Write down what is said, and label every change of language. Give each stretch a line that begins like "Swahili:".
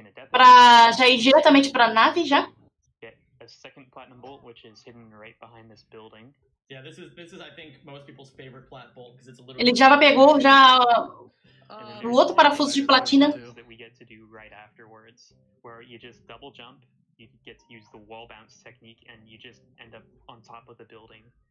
Portuguese: Para já ir diretamente para a nave já.
English: A second platinum bolt, which is hidden right behind this building. Yeah, this is I think most people's favorite plat bolt because it's a
Portuguese: little. Ele já pegou já o outro parafuso de platina.
English: That we get to do right afterwards, where you just double jump, you get to use the wall bounce technique, and you just end up on top of the building.